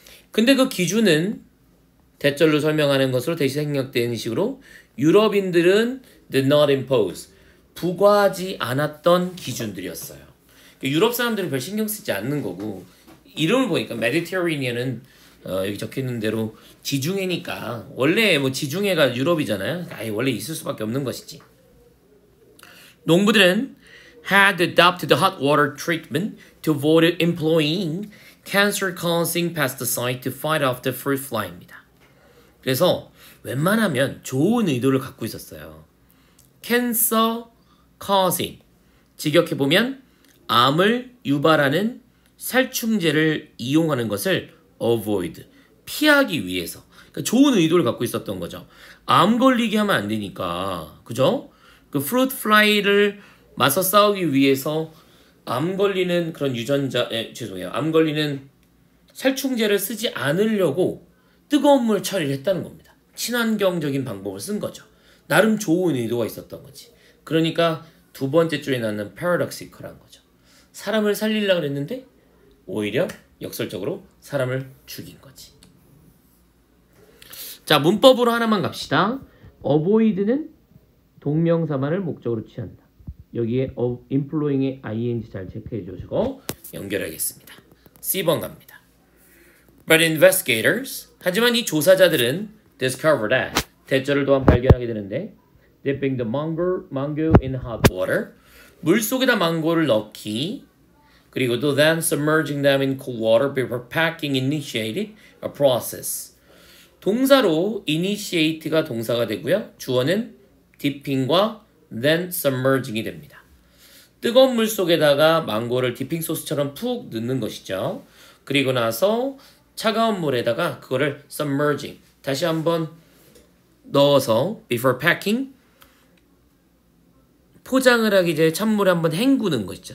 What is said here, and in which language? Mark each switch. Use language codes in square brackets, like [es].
[ko] 근데 그 기준은 대절로 설명하는 것으로 대신 생략되는 식으로 유럽인들은 [en] did not impose, [ko] 부과하지 않았던 기준들이었어요. 유럽 사람들은 별 신경 쓰지 않는 거고, 이름을 보니까 Mediterranean은 여기 적혀있는 대로 지중해니까, 원래 뭐 지중해가 유럽이잖아요. 아예 원래 있을 수밖에 없는 것이지. [en] 농부들은 had adopted the hot water treatment to avoid employing cancer-causing pesticide to fight off the fruit fly입니다. [ko] 그래서 웬만하면 좋은 의도를 갖고 있었어요. cancer-causing, 직역해보면 암을 유발하는 살충제를 이용하는 것을 avoid, 피하기 위해서. 그러니까 좋은 의도를 갖고 있었던 거죠. 암 걸리게 하면 안 되니까, 그죠? 그 fruit fly를 맞서 싸우기 위해서 암 걸리는 그런 유전자, 예, 죄송해요. 암 걸리는 살충제를 쓰지 않으려고 뜨거운 물 처리를 했다는 겁니다. 친환경적인 방법을 쓴 거죠. 나름 좋은 의도가 있었던 거지. 그러니까 두 번째 줄에 나오는 paradoxical한 거죠. 사람을 살리려고 했는데 오히려 역설적으로 사람을 죽인 거지. 자, 문법으로 하나만 갑시다. avoid는 동명사만을 목적으로 취한다. 여기에 employing의 ing 잘 체크해 주시고 연결하겠습니다. C번 갑니다. [en] But investigators, [ko] 하지만 이 조사자들은 [en] discover that, [ko] 대처를 또한 발견하게 되는데 [en] dipping the mango in hot water, [ko] 물속에다 망고를 넣기, 그리고 또 [en] then submerging them in cold water before packing initiated a process. [ko] 동사로 initiate가 동사가 되고요. 주어는 dipping과 then submerging이 됩니다. 뜨거운 물 속에다가 망고를 dipping 소스처럼 푹 넣는 것이죠. 그리고 나서 차가운 물에다가 그거를 submerging, 다시 한번 넣어서 [en] before packing, [ko] 포장을 하기 전에 찬물에 한번 헹구는 것이죠.